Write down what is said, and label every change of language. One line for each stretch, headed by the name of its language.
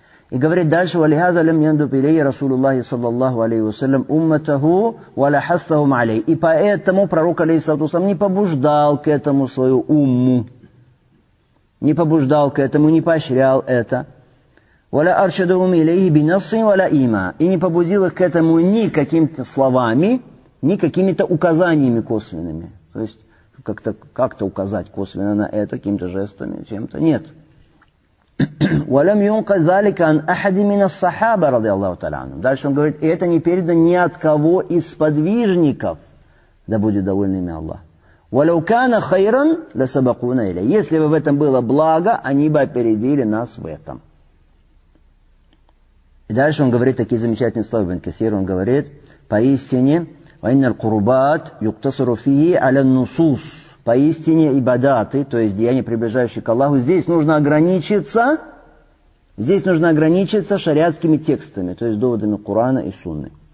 Russian: И говорит дальше, «Валихаза лям яндуб илейя Расулуллахи саллаллаху алейхи вассалям умматаху валя хассахум алей». И поэтому пророк, алейхиссалату вассалам, не побуждал к этому свою умму. Не побуждал к этому, не поощрял это.
Arabic: ولا أرشدهم إليه بنص ولا إيماء.
Russian: И не побудил их к этому ни какими-то словами, ни какими-то указаниями косвенными. То есть как-то указать косвенно на это, каким-то жестами, чем-то. Нет.
Arabic: ولم ينقل ذلك عن أحد من الصحابة رضي الله تعالى عنهم.
Russian: Дальше он говорит, это не передано ни от кого из подвижников, да будет доволен ими Аллах.
Arabic: ولو كان خيرا لسبقونا إليه.
Russian: Если бы в этом было благо, они бы опередили нас в этом. И дальше он говорит такие замечательные слова, Ибн Касир, он говорит, поистине,
Arabic: وَإِنَّ الْقُرُبَاتِ يُقْتَصِرُ فِيهِ عَلَى النُّصُوصِ.
Russian: Поистине ибадаты, то есть деяния, приближающие к Аллаху, здесь нужно ограничиться шариатскими текстами, то есть доводами Корана и Сунны.